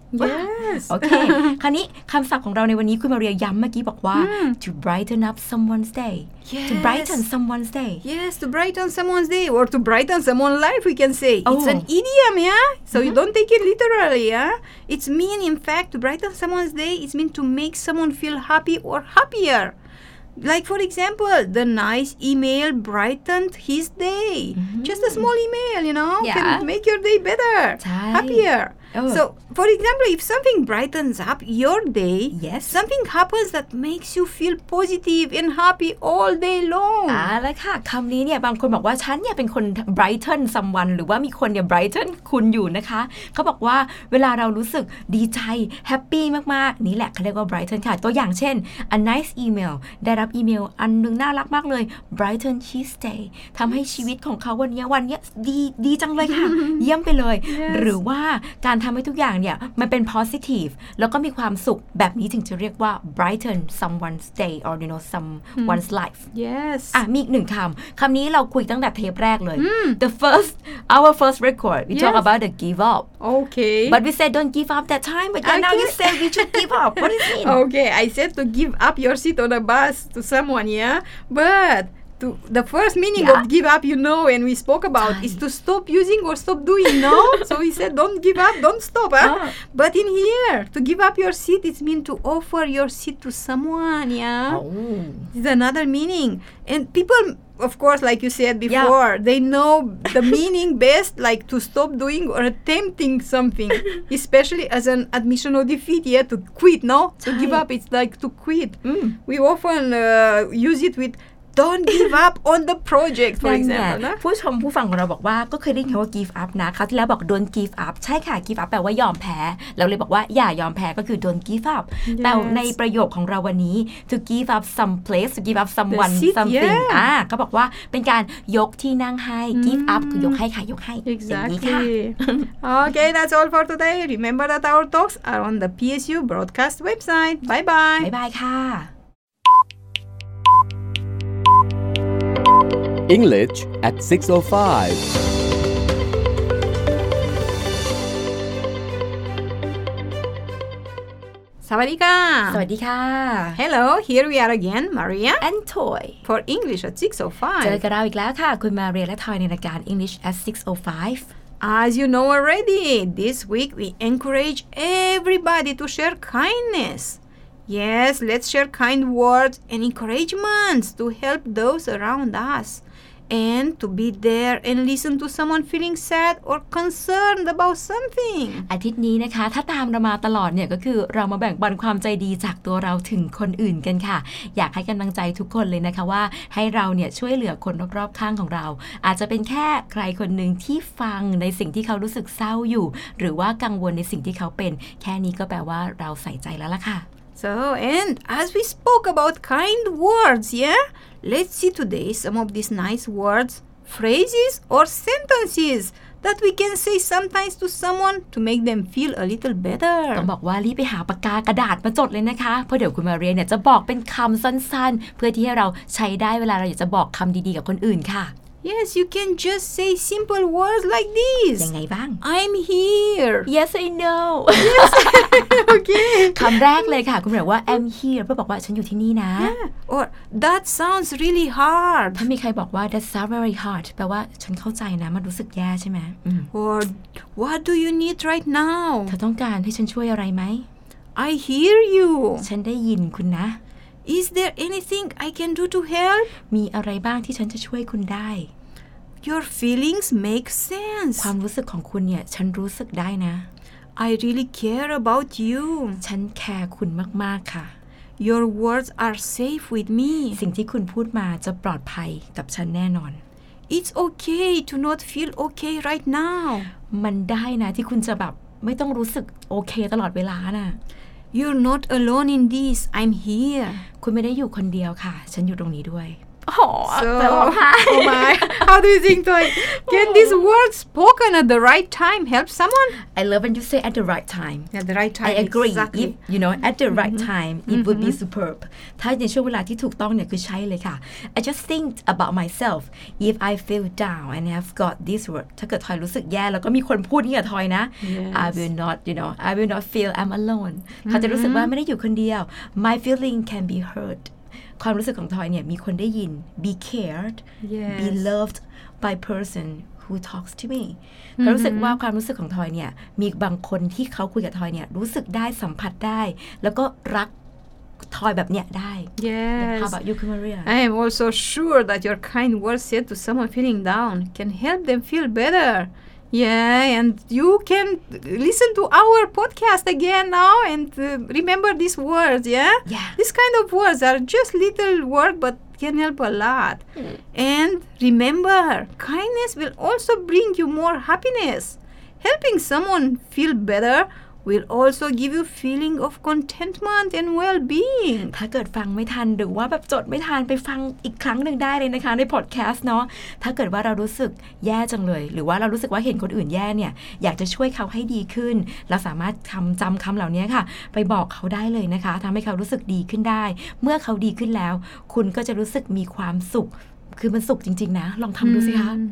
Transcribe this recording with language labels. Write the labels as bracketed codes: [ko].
[en] Yes [th] โอเคคราวนี้คำศัพท์ของเราในวันนี้คุณมาเรียย้ำเมื่อกี้บอกว่า [en] to brighten up someone's day Yes. To brighten someone's day. Yes, to brighten someone's day or to brighten someone's life, we can say. Oh. It's an idiom, yeah? So you don't take it literally, yeah? It's mean, in fact, to brighten someone's day, it's mean to make someone feel happy or happier. Like, for example, the nice email brightened his day. Mm-hmm. Just a small email, you know, yeah. can make your day better, Tight. happier. Oh. So, for example, if something brightens up your day, yes. something happens that makes you feel positive and happy all day long. [th] แล้วค่ะคำนี้เนี่ยบางคนบอกว่าฉันเนี่ยเป็นคน brighten someone หรือว่ามีคนเนี่ย brighten คุณอยู่นะคะเขาบอกว่าเวลาเรารู้สึกดีใจ happy มากๆนี่แหละเขาเรียกว่า brighten ค่ะตัวอย่างเช่น [en] a nice email [th] ได้รับอีเมลอันนึงน่ารักมากเลย [en] brighten his day [th] ทำให้ชีวิตของเขาวันนี้ดีจังเลยค่ะ เยี่ยมไปเลย [en] yes. [th] หรือว่าการทำให้ทุกอย่างเนี่ยมันเป็น positive แล้วก็มีความสุขแบบนี้ถึงจะเรียกว่า [en] brighten someone's day or you know someone's life yes [th] อ่ะมีอีกหนึ่งคำคำนี้เราคุยตั้งแต่เทปแรกเลย [en] our first record we talk about the give up okay but we said don't give up that time but now you said we should give up what do you mean okay I said to give up your seat on a bus to someone yeah but to the first meaning of give up, you know, and we spoke about is to stop using or stop doing, no? So we said don't give up, don't stop. Huh? But in here, to give up your seat, it means to offer your seat to someone, It's another meaning. And people, of course, like you said before, they know the meaning best, like to stop doing or attempting something, especially as an admission of defeat, to quit, no? To give up, it's like to quit. Mm. We often use it with don't give up on the project, for example. [th] ผู้ชมผู้ฟังของเราบอกว่าก็เคยได้ยินคำว่า give up นะคราวที่แล้วบอก [en] don't give up [th] ใช่ค่ะ give up แปลว่ายอมแพ้เราเลยบอกว่าอย่ายอมแพ้ก็คือ don't give up แต่ในประโยคของเราวันนี้ [en] to give up some place to give up someone seat, [th] something ก็บอกว่าเป็นการยกที่นั่งให้ give up คือยกให้ค่ะยกให้ [en] exactly okay that's all for today remember that our talks are on the PSU broadcast website bye bye bye bye ค่ะ English at 6:05. [th] Sawadee ka. Sawadee ka. [en] Hello, here we are again, Maria and Toy for English at 6:05. [th] เจอกันแล้วอีกแล้วค่ะคุณมาเรียและทอยในรายการ English at 6:05. [en] As you know already, this week we encourage everybody to share kindness. Yes, let's share kind words and encouragements to help those around us. And to be there and listen to someone feeling sad or concerned about something. [th] อาทิตย์นี้นะคะถ้าตามเรามาตลอดเนี่ยก็คือเรามาแบ่งปันความใจดีจากตัวเราถึงคนอื่นกันค่ะอยากให้กำลังใจทุกคนเลยนะคะว่าให้เราเนี่ยช่วยเหลือคนรอบๆข้างของเราอาจจะเป็นแค่ใครคนนึงที่ฟังในสิ่งที่เขารู้สึกเศร้าอยู่หรือว่ากังวลในสิ่งที่เขาเป็นแค่นี้ก็แปลว่าเราใส่ใจแล้วล่ะค่ะ [en] So and as we spoke about kind words, yeah. Let's see today some of these nice words, phrases, or sentences that we can say sometimes to someone to make them feel a little better. [th] ต้องบอกว่ารีบไปหาปากกากระดาษมาจดเลยนะคะเพราะเดี๋ยวคุณมาเรียนเนี่ยจะบอกเป็นคำสั้นๆเพื่อที่ให้เราใช้ได้เวลาเราอยากจะบอกคำดีๆกับคนอื่นค่ะ [en] Yes, you can just say simple words like this. [th] ยังไงบ้าง [en] I'm here. Yes, I know. Yes. Okay. [th] คำแรกเลยค่ะคุณหมายว่า [en] I'm here [th] เพื่อบอกว่าฉันอยู่ที่นี่นะ [en] Yeah. Or that sounds really hard. [th] ถ้ามีใครบอกว่า [en] that sounds very hard [th] แปลว่าฉันเข้าใจนะมันรู้สึกแย่ใช่ไหม [en] Or what do you need right now? [th] เธอต้องการให้ฉันช่วยอะไรไหม [en] I hear you. [th] ฉันได้ยินคุณนะ [en] Is there anything I can do to help? [th] มีอะไรบ้างที่ฉันจะช่วยคุณได้ [en] Your feelings make sense. [th] ความรู้สึกของคุณเนี่ยฉันรู้สึกได้นะ [en] I really care about you. [th] ฉันแคร์คุณมากๆค่ะ [en] Your words are safe with me. [th] สิ่งที่คุณพูดมาจะปลอดภัยกับฉันแน่นอน [en] It's okay to not feel okay right now. [th] มันได้นะที่คุณจะแบบไม่ต้องรู้สึกโอเคตลอดเวลานะ [en] You're not alone in this. I'm here. [th] คุณไม่ได้อยู่คนเดียวค่ะฉันอยู่ตรงนี้ด้วย [en] Oh my! How do you think, Toy? Can this word spoken at the right time help someone? I love when you say at the right time. At the right time. I agree. Exactly. If, you know, at the right time, it would be superb. [th] ถ้าในช่วงเวลาที่ถูกต้องเนี่ยคือใช่เลยค่ะ [en] I just think about myself. If I feel down and have got this word, [th] ถ้าเกิดทอยรู้สึกแย่แล้วก็มีคนพูดนี่กับทอยนะ [en] yes. I will not, you know, I will not feel I'm alone. [th] เขาจะรู้สึกว่าไม่ได้อยู่คนเดียว [en] My feeling can be heard. [th] ความรู้สึกของทอยเนี่ยมีคนได้ยิน [en] be cared yes. be loved by person who talks to me [th] รู้สึกว่าความรู้สึกของทอยเนี่ยมีบางคนที่เขาคุยกับทอยเนี่ยรู้สึกได้สัมผัสได้แล้วก็รักทอยแบบเนี้ยได้ [en] yes. How about you Maria I am also sure that your kind words said to someone feeling down can help them feel betterYeah, and you can listen to our podcast again now and remember these words, yeah? Yeah. These kind of words are just little words, but can help a lot. Mm. And remember, kindness will also bring you more happiness. Helping someone feel better will also give you feeling of contentment and well-being. [th] ถ้าเกิดฟังไม่ทันหรือว่าแบบจดไม่ทันไปฟังอีกครั้งหนึ่งได้เลยนะคะในพอดแคสต์เนาะถ้าเกิดว่าเรารู้สึกแย่จังเลยหรือว่าเรารู้สึกว่าเห็นคนอื่นแย่เนี่ยอยากจะช่วยเขาให้ดีขึ้นเราสามารถจำคำเหล่านี้ค่ะไปบอกเขาได้เลยนะคะทำให้เขารู้สึกดีขึ้นได้เมื่อเขาดีขึ้นแล้วคุณก็จะรู้สึกมีความสุขคือมันสุขจริงๆนะลองทำดูสิคะ